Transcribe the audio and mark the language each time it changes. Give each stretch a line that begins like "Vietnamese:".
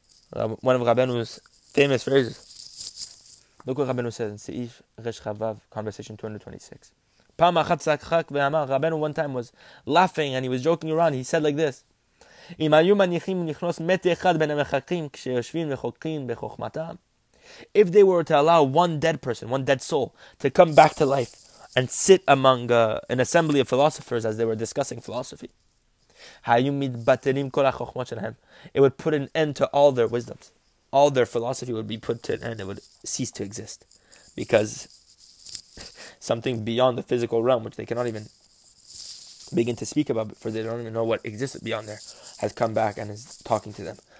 English: One of Rabbeinu's famous phrases. Look what Rabbeinu says in Seif Resh Chavav, conversation 226. Rabbeinu one time was laughing and he was joking around. He said like this.
Hebrew: אם היו מניחים נכנוס מת אחד בין המחקרים כשיושבים וחוקרים בחוכמתם,
English: if they were to allow one dead person, one dead soul, to come back to life and sit among an assembly of philosophers as they were discussing philosophy,
Hebrew: היו מתבטלים כל החוכמות שלהם.
English: It would put an end to all their wisdoms. All their philosophy would be put to an end. It would cease to exist. Because something beyond the physical realm, which they cannot even begin to speak about, for they don't even know what exists beyond there, has come back and is talking to them.